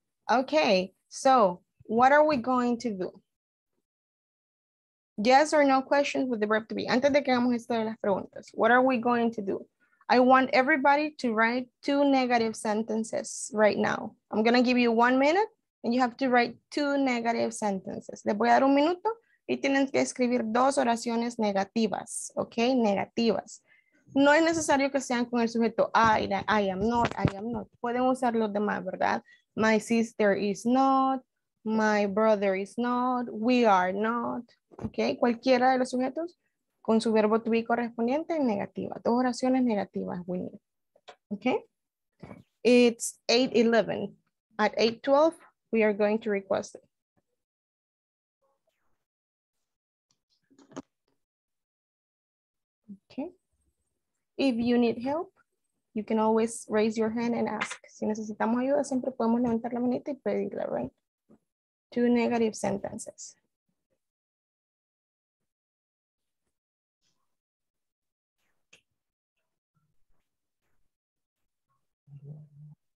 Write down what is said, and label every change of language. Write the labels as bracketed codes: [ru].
[en] Okay. So, what are we going to do? Yes or no questions with the verb to be. [es] Antes de que hagamos esto de las preguntas, [en] what are we going to do? I want everybody to write 2 negative sentences right now. I'm going to give you 1 minute and you have to write 2 negative sentences. [es] Les voy a dar un minuto y tienen que escribir 2 oraciones negativas, okay? Negativas. No es necesario que sean con el sujeto [en] I am not. [es] Pueden usar los demás, ¿verdad? [en] My sister is not, my brother is not, we are not, okay? [es] Cualquiera de los sujetos con su verbo to be correspondiente, negativa. 2 oraciones negativas, [en] we need. Okay? It's 8:11. At 8:12, we are going to request it. Okay? If you need help, you can always raise your hand and ask. [es] Si necesitamos ayuda, siempre podemos levantar la manita y pedirla, right? [en] 2 negative sentences. Thank you.